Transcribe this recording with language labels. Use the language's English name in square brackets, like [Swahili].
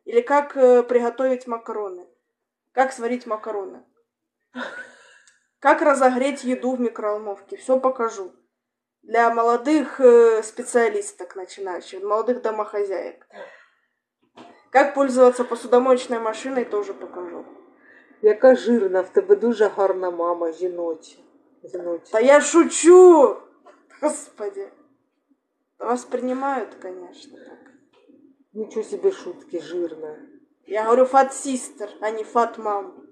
[Russian] Или как приготовить макароны. Как сварить макароны. Как разогреть еду в микроволновке. Все покажу. Для молодых специалисток начинающих. Молодых домохозяек. Как пользоваться посудомоечной машиной, тоже покажу. [Ukrainian] Яка жирна, в тебе дуже гарна мама, жіноча. Та я шучу! Господи. [Russian] Воспринимают, конечно, так. Ничего себе шутки, жирная. Я говорю [English] fat sister, [Russian] а не [English] fat mom.